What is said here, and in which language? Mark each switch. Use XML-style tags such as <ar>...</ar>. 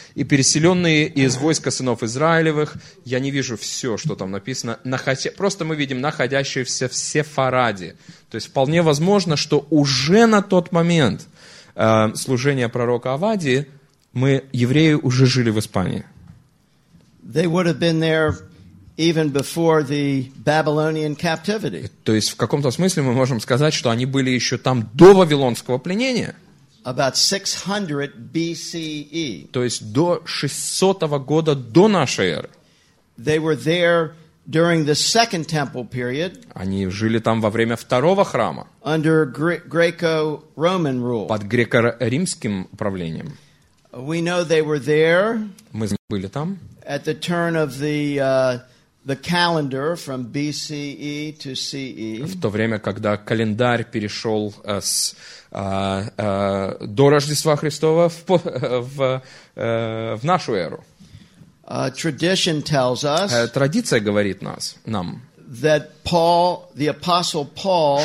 <ru>И переселенные из войска сынов Израилевых, я не вижу все, что там написано, просто мы видим находящиеся в Сефараде. То есть вполне возможно, что уже на тот момент служения пророка Авадии мы, евреи, уже жили в Испании.</ru> <en>They would have been there even before the Babylonian captivity.</en> <ru>То есть в каком-то смысле мы можем сказать, что они были еще там до Вавилонского пленения.</ru> <en>About 600 BCE.</en> <ru>То есть до 600 года до нашей эры.</ru> <en>They were there during the Second Temple period.</en> <ru>Они жили там во время второго храма.</ru> <en>Under Greco-Roman rule.</en> <ru>Под греко-римским правлением.</ru> <en>We know they were there.</en> <ru>Мы были там.</ru> <en>At the turn of the calendar from BCE to CE.</en> <ru>В то время, когда календарь перешел с до Рождества Христова в нашу эру.</ru> <en>Tradition tells us.</en> <ru>Традиция говорит нам.</ru> <en>That Paul, the apostle Paul,</en>